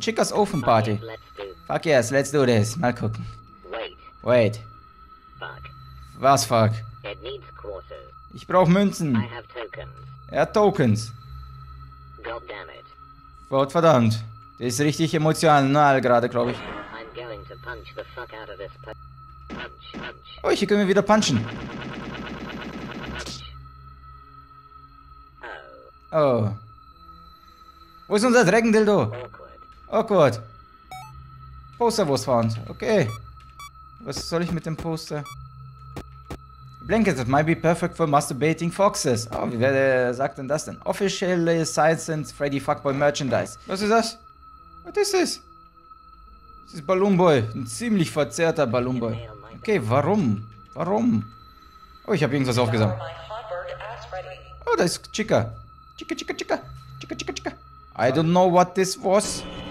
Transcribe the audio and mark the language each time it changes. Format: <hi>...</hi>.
<en>Chicka's Oven Party. Fuck yes, let's do this.</en> <de>Mal gucken.</de> <en>Wait. Fuck. Was fuck? It needs quarters.</en> <de>Ich brauche Münzen.</de> <en>I have tokens.</en> <de>Er hat Tokens.</de> <en>God damn it.</en> <de>Gott verdammt. Der ist richtig emotional gerade, glaube ich.</de> <en>I'm going to punch the fuck out of this punch.</en> <de>Oh, hier können wir wieder punchen.</de> <en>Punch. Oh. Oh.</en> <de>Wo ist unser Dreckendildo?</de> <en>Awkward. Poster was found. Okay.</en> <de>Was soll ich mit dem Poster?</de> <en>Blanket that might be perfect for masturbating foxes.</en> <de>Oh, wer sagt denn das denn? Official Science and Freddy Fuckboy Merchandise. Was ist das?</de> <en>What is this?</en> <de>Das ist Balloon Boy. Ein ziemlich verzerrter Balloon Boy. Okay, warum? Warum? Oh, ich habe irgendwas aufgesammelt. Oh, da ist Chica. Chica, Chica, Chica. Chica, Chica, Chica.</de> <en>I don't know what this was.</en>